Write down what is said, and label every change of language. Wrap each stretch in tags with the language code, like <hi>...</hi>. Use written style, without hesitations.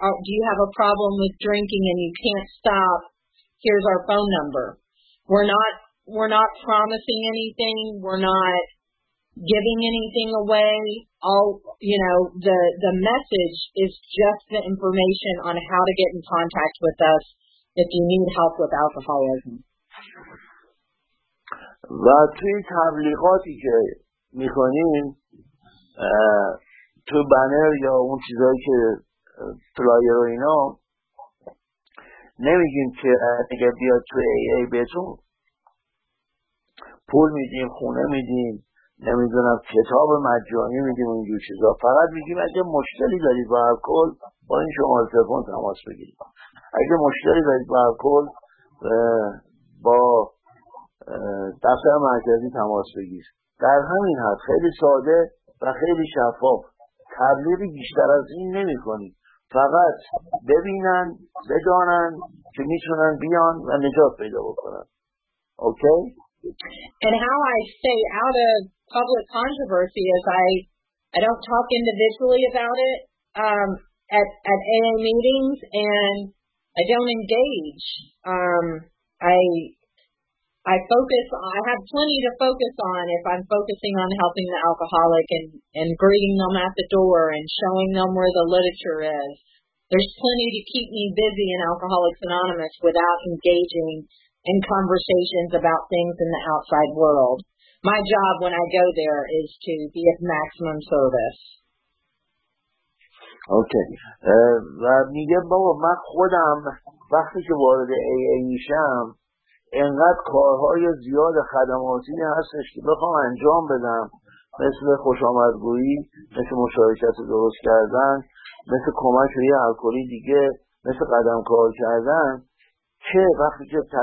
<en>Do you have a problem with drinking and you can't stop? Here's our phone number. We're not promising anything. We're not giving anything away. All, you know, the message is just the information on how to get in contact with us if you need help with alcoholism.</en> <fa>و توی تبلیغاتی که میکنین تو بنر یا اون چیزایی که فلایر و اینا نمیگین که اگه بیاد تو ای ای بهتون پول میدیم، خونه میدیم، نمیدونم کتاب مجانی میدیم، اونجور چیزا. فقط میگیم اگه مشکلی دارید با الکل با این شماره تلفن تماس بگیریم. اگه مشکلی دارید با الکل با دفتر مرکزی تماس بگیر. در همین حد خیلی ساده و خیلی شفاف، تبلیغی بیشتر از این نمی کنی. فقط ببینن، بدانن که میتونن بیان و نجات پیدا بکنن. اوکی؟</fa> <en>And how I stay out of public controversy is I don't talk individually about it at AA meetings, and I don't engage. I focus. I have plenty to focus on if I'm focusing on helping the alcoholic and greeting them at the door and showing them where the literature is. There's plenty to keep me busy in Alcoholics Anonymous without engaging in conversations about things in the outside world. My job when I go there is to be of maximum service. Okay.</en> <fa>و میگه بابا من خودم وقتی که وارد AA میشم انقدر کارهای زیاد خدماتی هستش که بخوام انجام بدم، مثل خوشامدگویی، مثل مشارکت درست کردن، مثل کمک روی الکلی دیگه، مثل قدم کار کردن، که وقتی که</fa>